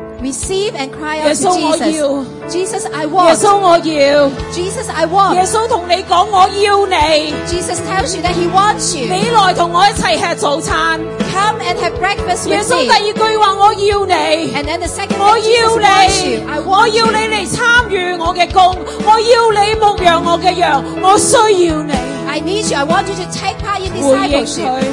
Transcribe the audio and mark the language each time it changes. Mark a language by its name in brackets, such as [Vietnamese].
[English] Receive and cry out to Jesus. [Chinese] 耶稣我要 [English] Jesus, I want. [Chinese] 耶稣我要 [English] Jesus, I want. [Chinese] 耶稣同你讲我要你 [English] Jesus tells you that he wants you. [Chinese] 你来同我一起吃早餐 [English] Come and have breakfast with me. [Chinese] 耶稣第二句话我要你 [English] And then the second thing Jesus wants you. [Chinese] 我要你我要你来参与我的工我要你牧养我的羊我需要你 [English] I need you. I want you to take part in discipleship.